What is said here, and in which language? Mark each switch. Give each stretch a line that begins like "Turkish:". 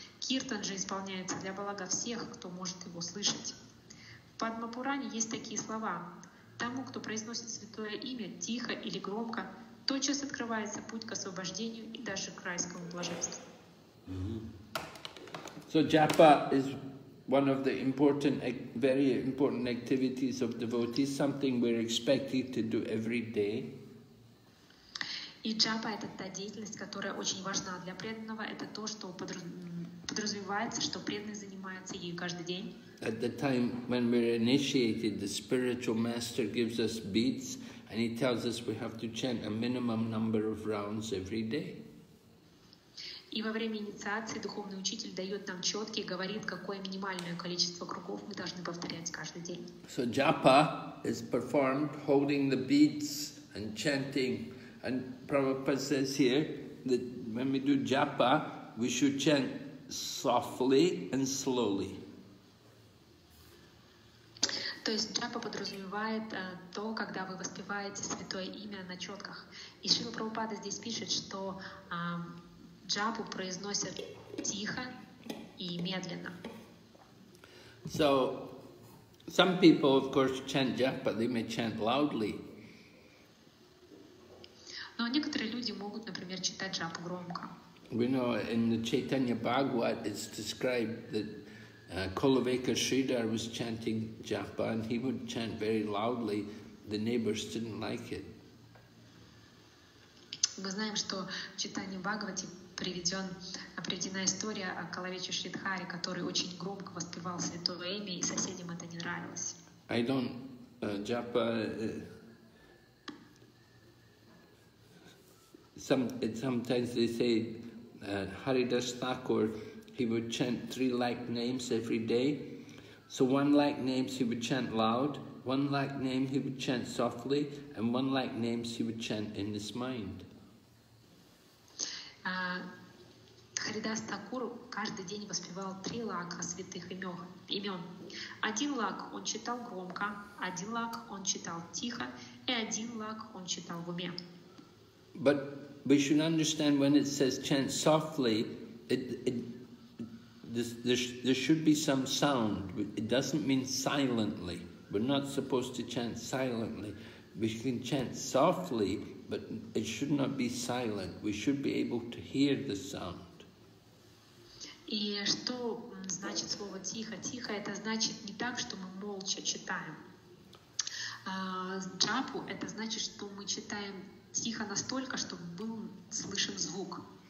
Russian: Киртан же исполняется для блага всех, кто может его слышать. В Падмапуране есть такие слова. Тому, кто произносит святое имя тихо или громко, тотчас открывается путь к освобождению и даже к райскому блаженству.
English: So japa is one of the important, very important activities of devotees, something we're expected to do every day.
Russian: И джапа — это та деятельность, которая очень важна для преданного. Это то, что подразумевается, что преданный занимается ей каждый день.
English: At the time when we're initiated, the spiritual master gives us beads, and he tells us we have to chant a minimum number of rounds every day.
Russian: И во время инициации духовный учитель дает нам четки и говорит, какое минимальное количество кругов мы должны повторять каждый день.
English: So japa is performed holding the beads and chanting. And Prabhupada says here that when we do japa, we should chant softly and slowly.
Russian: То есть джапа подразумевает то, когда вы воспеваете святое имя на четках. И Шрила Прабхупада здесь пишет, что джапу произносят тихо и медленно.
English: So, some people, of course, chant japa, they may chant loudly.
Russian: Но некоторые люди могут, например, читать джапу громко.
English: We know in the Chaitanya Bhagavat it's described that Kolaveka Sridhar was chanting japa, and he would chant very loudly. The neighbors didn't like it.
Russian: Мы знаем, что в Чайтанье Бхагавате приведена история о Калавече Шридхаре, который очень громко воспевал святое имя, и соседям это не нравилось.
English: I don't japa. Sometimes they say Haridas Thakur, he would chant three like names every day. So one like names he would chant loud, one like name he would chant softly, and one like names he would chant in his mind.
Russian: Харидас Такур каждый день воспевал три лака святых имен. Один лак он читал громко, один лак он читал тихо, и один лак он читал в уме.
English: But we should understand when it says chant softly, there should be some sound. It doesn't mean silently. We're not supposed to chant silently. We can chant softly, but it should not be silent. We should be able to hear the sound.
Russian: И что значит слово тихо? Тихо — это значит не так, что мы молча читаем. Джапу — это значит, что мы читаем тихо настолько, чтобы был слышен звук.